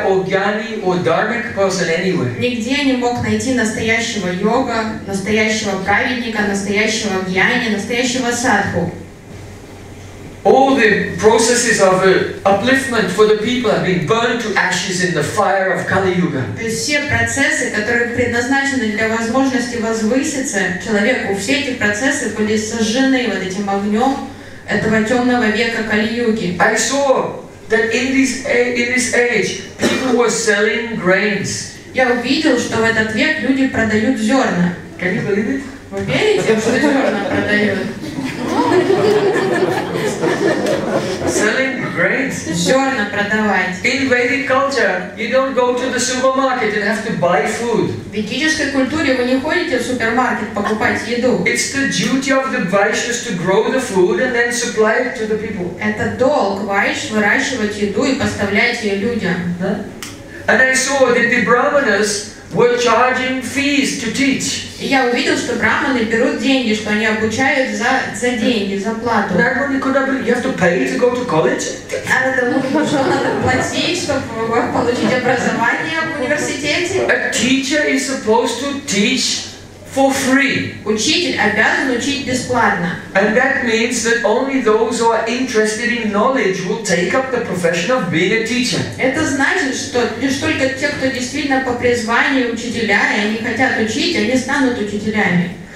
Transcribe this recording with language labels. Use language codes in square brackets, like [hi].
[ru] Нигде я не мог найти настоящего йога, настоящего праведника, настоящего гьяни, настоящего садху. [en] All the processes of upliftment for the people have been burned to ashes in the fire of Kali Yuga. [ru] Все процессы, которые предназначены для возможности возвыситься человеку, все эти процессы были сожжены вот этим огнем этого темного века Кали Юги. [en] I saw that in this age people were selling grains. [ru] Я увидел, что в этот век люди продают зерна. [en] Can you believe it? [ru] Вы верите, что зерна продают? [en] Selling grains. [ru] Зерна продавать. [en] In Vedic culture, you don't go to the supermarket and have to buy food. [ru] В ведической культуре вы не ходите в супермаркет покупать еду. [en] It's the duty of the vaishyas to grow the food and then supply it to the people. [ru] Это долг вайш выращивать еду и поставлять ее людям. [en] And I saw that the brahmanas were charging fees to teach. [ru] И я увидел, что брахманы берут деньги, что они обучают за деньги, за плату. Наверное, куда бы? [en] You have to pay to go to college? [ru] А это нужно, что надо платить, чтобы получить образование в университете? [en] A teacher is supposed to teach for free. [ru] Учитель обязан учить бесплатно. [en] And that means that only those who are interested in knowledge will take up the profession of being a teacher. [ru] Это значит, что лишь только те, кто действительно по призванию учителя, и они хотят учить, они станут учителями.